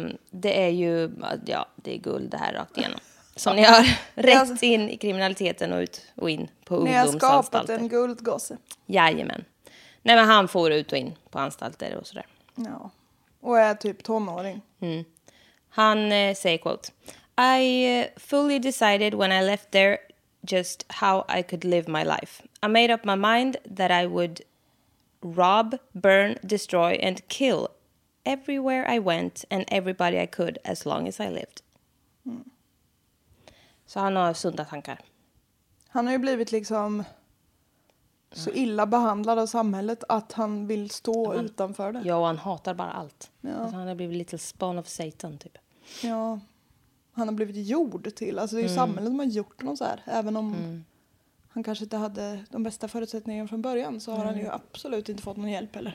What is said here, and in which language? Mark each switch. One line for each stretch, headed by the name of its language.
Swedish: Det är ju, ja, det är guld det här rakt igenom. Som ni har rätt in i kriminaliteten och ut och in på ungdomsanstalter. Ni har skapat en guldgosse. Jajamän. Nej, men han får ut och in på anstalter och sådär. Ja, och är typ tonåring. Mm.
English: Han säger, quote, I fully decided when I left there just how I could live my life. I made up my mind that I would rob, burn, destroy and kill everywhere I went and everybody I could as long as I lived. Mm.
Swedish: Så han har sunda tankar. Han har ju blivit liksom så illa behandlad av samhället att han vill stå han, utanför det. Ja, han hatar bara allt. Ja. Alltså han har blivit
English: little spawn of Satan
Swedish: typ. Ja, han har blivit gjord till. Alltså det är ju samhället som har gjort honom så här. Även om han kanske inte hade de bästa förutsättningarna från början så har han ju absolut inte fått någon hjälp heller.